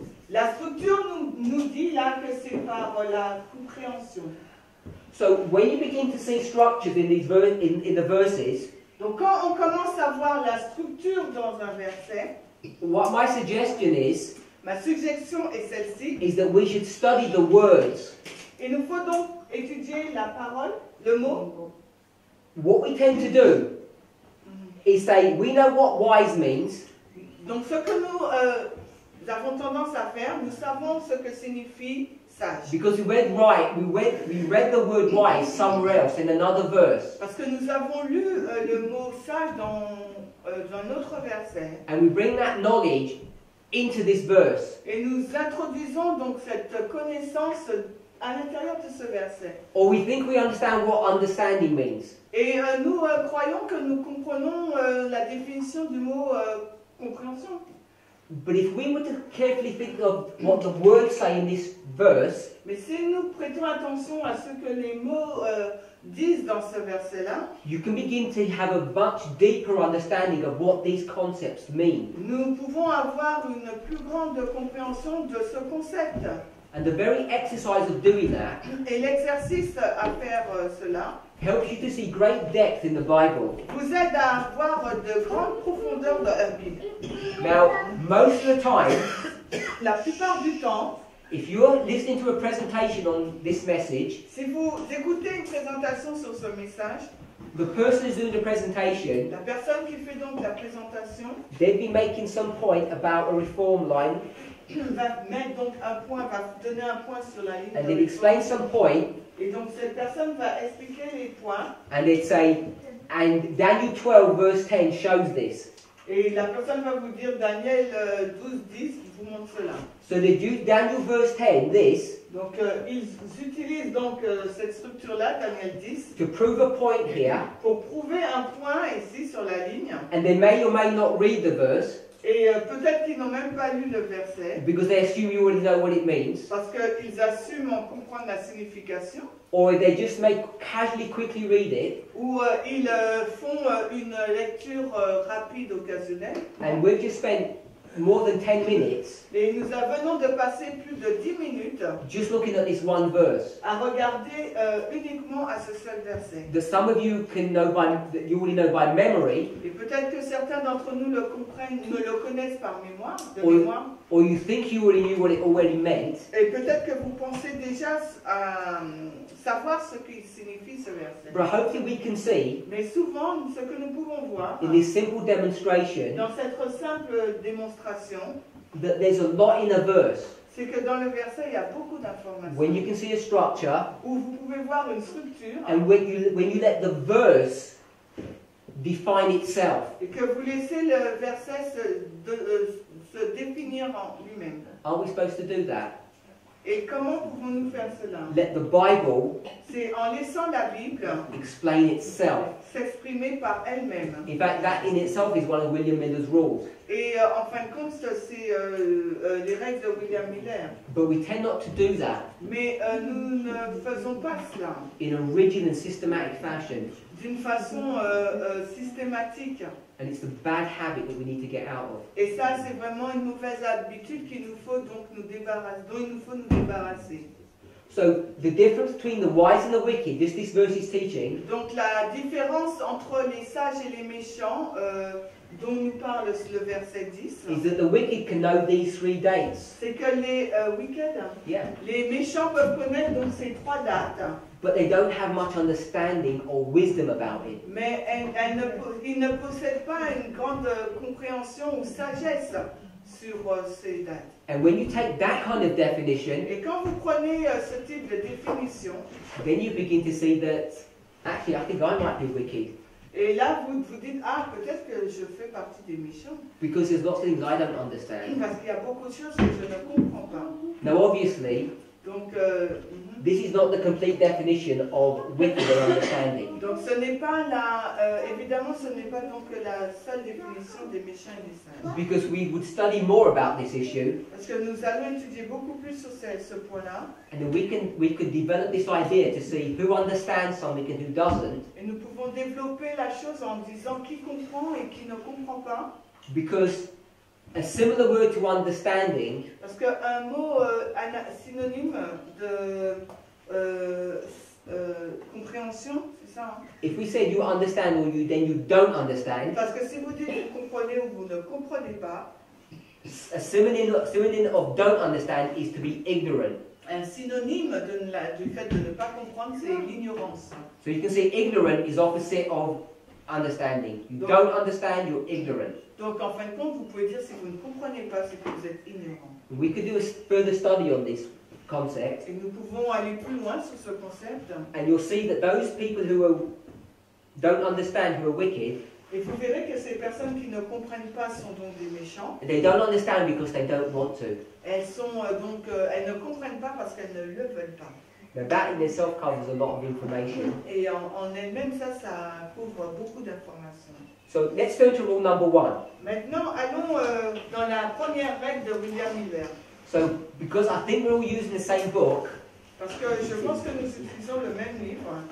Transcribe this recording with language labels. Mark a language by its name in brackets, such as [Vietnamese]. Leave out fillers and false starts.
[French] La structure nous dit là que c'est par la compréhension. [English] So when you begin to see structures in these in the verses. [French] Donc quand on commence à voir la structure dans un verset. [English] What my suggestion is. [French] Ma suggestion est celle-ci. [English] Is that we should study the words. [French] Il nous faut donc étudier la parole, le mot. [English] What we tend to do is say we know what wise means. [French] Donc ce que nous avons tendance à faire, nous savons ce que signifie sage. [English] Because we read the word wise somewhere else in another verse. [French] Parce que nous avons lu le mot sage dans un autre verset. [English] And we bring that knowledge into this verse. [French] Et nous introduisons donc cette connaissance à l'intérieur de ce verset. [English] Or we think we understand what understanding means. [French] Et nous croyons que nous comprenons la définition du mot compréhension. [English] But if we were to carefully think of what the words say in this verse. [French] Mais si nous prêtons attention à ce que les mots disent dans ce verset-là. [English] You can begin to have a much deeper understanding of what these concepts mean. [French] Nous pouvons avoir une plus grande compréhension de ce concept. [English] And the very exercise of doing that. [French] Et l'exercice à faire cela. [English] Helps you to see great depth in the Bible. [French] Vous aide à voir de grandes profondeurs dans la Bible. [English] Now, most of the time, [French] la plupart du temps, [English] if you're listening to a presentation on this message, [French] si vous écoutez une présentation sur ce message, [English] the person who's doing the presentation, [French] la personne qui fait donc la présentation, [English] they'll be making some point about a reform line. [French] Va mettre donc un point, va donner un point sur la ligne. [English] And they'll explain some point. [French] Et donc cette personne va expliquer les points. [English] And they say, and Daniel 12 verse 10 shows this. [French] Et la personne va vous dire Daniel 12 10 vous montre cela. [English] So they do Daniel verse 10 this. [French] Donc ils utilisent donc cette structure là Daniel 10. [English] To prove a point here. [French] Pour prouver un point ici sur la ligne. [English] And they may or may not read the verse. [French] Et peut-être qu'ils n'ont même pas lu le verset. [English] Because they assume you already know what it means. [French] Parce qu'ils assument comprendre la signification. [English] Or they just make casually quickly read it. [French] Ou ils font une lecture rapide occasionnelle. [English] And we just spend more than 10 minutes. [French] Et nous venons de passer plus de 10 minutes. [English] Just looking at this one verse. [French] À regarder uniquement à ce seul verset. [English] That some of you can know by, that you already know by memory. [French] Et peut-être que certains d'entre nous le comprennent, nous le connaissent par mémoire, mémoire. [English] Or you think you already knew what it already meant. [French] Et peut-être que vous pensez déjà savoir ce qu'il signifie ce verset. [English] But hopefully we can see. [French] Mais souvent, ce que nous pouvons voir. [English] In this simple demonstration. [French] Dans cette simple démonstration. [English] That there's a lot in a verse. [French] C'est que dans le verset, il y a beaucoup d'informations. [English] When you can see a structure. [French] Où vous pouvez voir une structure. [English] And when you let the verse define itself. [French] Et que vous laissez le verset se définir en lui-même. [English] Are we supposed to do that? [French] Et comment pouvons-nous faire cela? [English] Let the Bible, [French] c'est en laissant la Bible, [English] explain itself. [French] S'exprimer par elle-même. [English] In fact, that in itself is one of William Miller's rules. [French] Et en fin de compte, c'est les règles de William Miller. [English] But we tend not to do that. [French] Mais nous ne faisons pas cela. [English] In a rigid and systematic fashion. [French] D'une façon systématique. [English] And it's the bad habit that we need to get out of. [French] Et ça, c'est vraiment une mauvaise habitude qu'il nous faut donc nous débarrasser. [English] So the difference between the wise and the wicked, this verse is teaching. [French] Donc la différence entre les sages et les méchants dont nous parle le verset 10. [English] Is that the wicked can know these three dates. [French] C'est que les wicked. Yeah. Les méchants peuvent connaître donc ces trois dates. [English] But they don't have much understanding or wisdom about it. [French] Mais ils ne possèdent pas une grande compréhension ou sagesse sur ces dates. [English] And when you take that kind of definition, [French] et quand vous prenez ce type de définition, [English] then you begin to see that actually I think I might be wicked. [French] Et là vous dites ah peut-être que je fais partie des méchants. [English] Because there's lots of things I don't understand. [French] Parce qu'il y a beaucoup de choses que je ne comprends pas. [English] Now obviously. [French] Donc, [English] this is not the complete definition of wicked or understanding. [French] Donc, ce n'est pas la, évidemment, ce n'est pas donc la seule définition des méchants et des saints. [English] Because we would study more about this issue. [French] Parce que nous allons étudier beaucoup plus sur ce point-là. [English] And then we could develop this idea to see who understands something and who doesn't. [French] Et nous pouvons développer la chose en disant qui comprend et qui ne comprend pas. [English] Because a similar word to understanding. [French] Parce que un mot synonyme de compréhension, c'est ça. [English] If we say you understand or you then you don't understand. [French] Parce que si vous dites vous comprenez ou vous ne comprenez pas. [English] A synonym of don't understand is to be ignorant. [French] Un synonyme du fait de ne pas comprendre, c'est l'ignorance. [English] So you can say ignorant is opposite of understanding. You [French] donc, [English] don't understand, you're ignorant. [French] Donc en fin de compte, vous pouvez dire si vous ne comprenez pas, c'est que vous êtes ignorant. [English] We could do a further study on this concept. [French] Et nous pouvons aller plus loin sur ce concept. [English] And you'll see that those people who don't understand, who are wicked. [French] Et vous verrez que ces personnes qui ne comprennent pas sont donc des méchants. [English] They don't understand because they don't want to. [French] Elles sont donc, elles ne comprennent pas parce qu'elles ne le veulent pas. [English] Now that in itself covers a lot of information. [French] Et en elle-même, ça couvre beaucoup d'informations. [English] So let's turn to rule number one. [French] Maintenant, allons dans la première règle de William Miller. [English] So, because I think we're all using the same book. [French] Parce que je pense que nous utilisons le même livre.